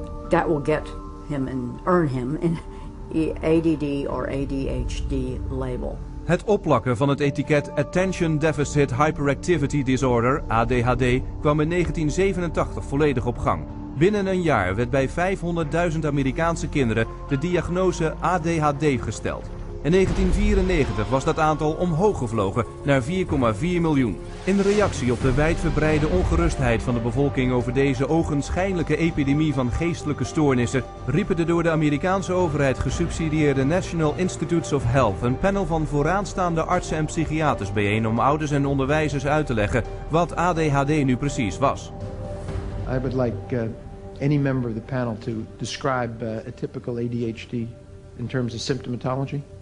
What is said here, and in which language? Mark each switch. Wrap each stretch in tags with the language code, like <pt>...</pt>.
<en>That will get him and earn him an ADD or ADHD label.</en> <nl>Het opplakken van het etiket Attention Deficit Hyperactivity Disorder, ADHD, kwam in 1987 volledig op gang. Binnen een jaar werd bij 500.000 Amerikaanse kinderen de diagnose ADHD gesteld. In 1994 was dat aantal omhoog gevlogen naar 4,4 miljoen. In reactie op de wijdverbreide ongerustheid van de bevolking over deze ogenschijnlijke epidemie van geestelijke stoornissen, riepen de door de Amerikaanse overheid gesubsidieerde National Institutes of Health een panel van vooraanstaande artsen en psychiaters bijeen om ouders en onderwijzers uit te leggen wat ADHD nu precies was.</nl> <en>I would like any member of the panel to describe a typical ADHD in terms of symptomatology.</en>